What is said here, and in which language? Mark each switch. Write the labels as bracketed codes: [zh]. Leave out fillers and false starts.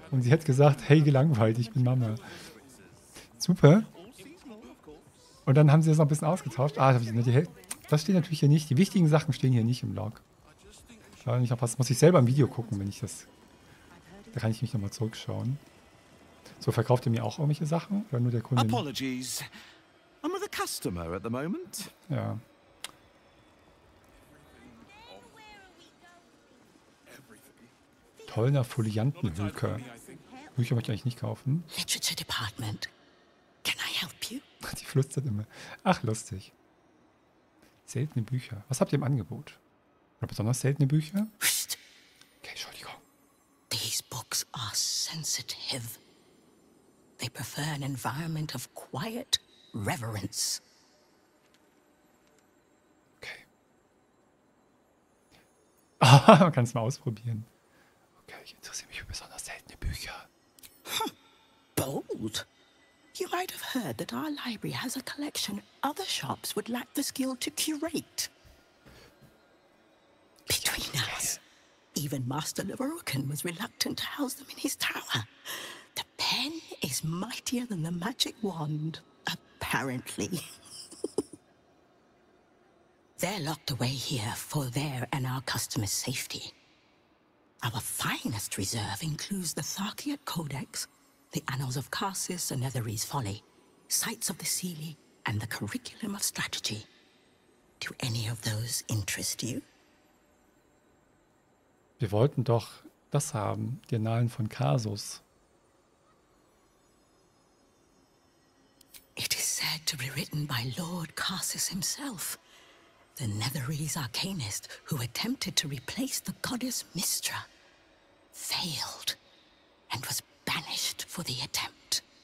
[de] Und sie hätte gesagt, hey gelangweilt, ich bin Mama. Super. Und dann haben sie das noch ein bisschen ausgetauscht. Ah, das steht natürlich hier nicht. Die wichtigen Sachen stehen hier nicht im Log. Das muss ich selber im Video gucken, wenn ich das... Da kann ich mich nochmal zurückschauen. So, verkauft ihr mir auch irgendwelche Sachen? Oder nur der Kunde? [en] Apologies. I'm with a customer at the moment. [de] Ja. Tollner Foliantenhüker. Bücher möchte ich eigentlich nicht kaufen. [en] Literature Department. Can I help you? [de] Die flüstert immer. Ach, lustig. Seltene Bücher. Was habt ihr im Angebot? Oder besonders seltene Bücher? Psst. Okay, Entschuldigung. [en] These books are sensitive. They prefer an environment of quiet reverence. [de] Okay. Ah, man kann es mal ausprobieren. Okay, ich interessiere mich für besonders seltene Bücher. [en] Bold. You might have heard that our library has a collection other shops would lack the skill to curate. Between us, even Master Leverokin was reluctant to house them in his tower. The pen is mightier than the magic wand, apparently. They're locked away here for their and our customers' safety. Our finest reserve includes the Tharkiot Codex, the Annals of Karsis and Netherese Folly, Sights of the Seelie, and the Curriculum of Strategy. Do any of those interest you? [de] Wir wollten doch das haben, die Annalen von Karsus. [en] It is said to be written by Lord Karsis himself, the Netherese Arcanist who attempted to replace the goddess Mistra, failed, and was banished for the attempt.